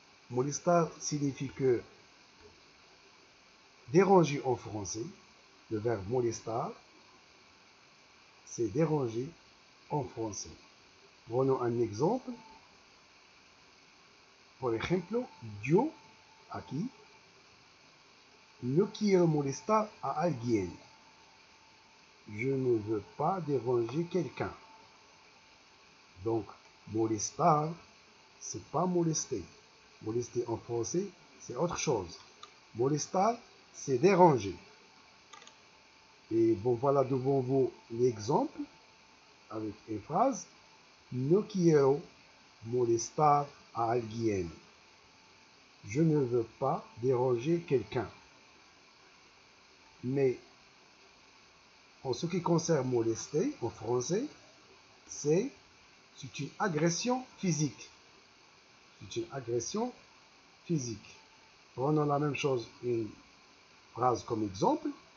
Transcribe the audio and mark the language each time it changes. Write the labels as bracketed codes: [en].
[fr] Molestar signifie que déranger en français. Le verbe molestar, c'est déranger en français. Prenons un exemple. [es] Por ejemplo, yo aquí no quiero molestar a alguien. [fr] Je ne veux pas déranger quelqu'un. Donc, molestar, c'est pas molester. Molester en français, c'est autre chose. Molestar, c'est déranger. Et bon, voilà devant vous l'exemple avec une phrase. [es] No quiero molestar a alguien. [fr] Je ne veux pas déranger quelqu'un. Mais en ce qui concerne molester en français, c'est une agression physique. C'est une agression physique. Prenons la même chose, une phrase comme exemple.